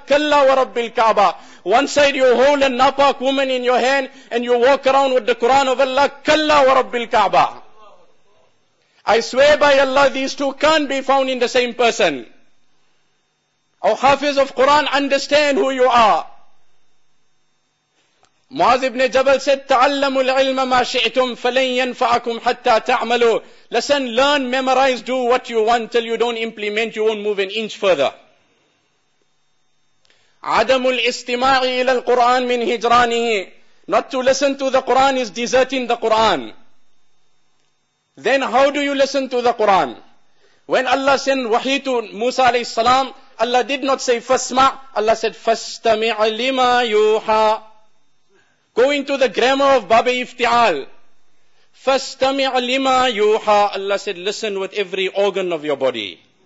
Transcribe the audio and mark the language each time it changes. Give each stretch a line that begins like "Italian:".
Arabic: Kalla wa rabbil Ka'ba.
English: One side you hold a napak woman in your hand and you walk around with the Quran of Allah.
Arabic: Kalla wa rabbil Ka'ba.
English: I swear by Allah these two can't be found in the same person. O Hafiz of Quran, understand who you are.
Arabic: Mu'adh ibn Jabal
English: said,
Arabic: تَعَلَّمُوا الْعِلْمَ مَا شِئْتُمْ فَلَنْ يَنْفَعَكُمْ حَتَّى تَعْمَلُوا.
English: Listen, learn, memorize, do what you want till you don't implement, you won't move an inch further.
Arabic: عدم الاستماع إلى القرآن من هجرانه.
English: Not to listen to the Quran is deserting the Quran. Then how do you listen to the Quran? When Allah sent wahi to Musa alayhi salam, Allah did not say fasma, Allah said
Arabic: fastami'a lima yuha.
English: Going to the grammar of Baba Iftial,
Arabic: fastami'a lima yuha,
English: Allah said listen with every organ of your body.